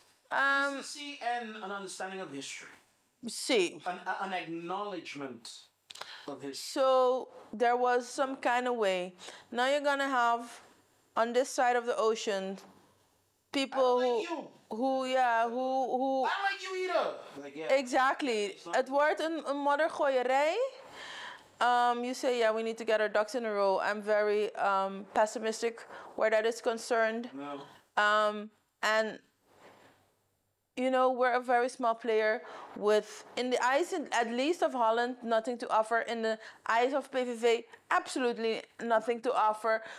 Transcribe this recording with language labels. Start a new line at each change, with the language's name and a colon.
English: decency and an understanding of history. See. An acknowledgement. So there was some kind of way. Now you're gonna have on this side of the ocean people who I don't like you either. Like, yeah. Exactly.
Dutch: Het wordt een moddergooierij.
English: You say, yeah, we need to get our ducks in a row. I'm very pessimistic where that is concerned. No. And you know, we're a very small player with, in the eyes, at least of Holland, nothing to offer. In the eyes of PVV, absolutely nothing to offer.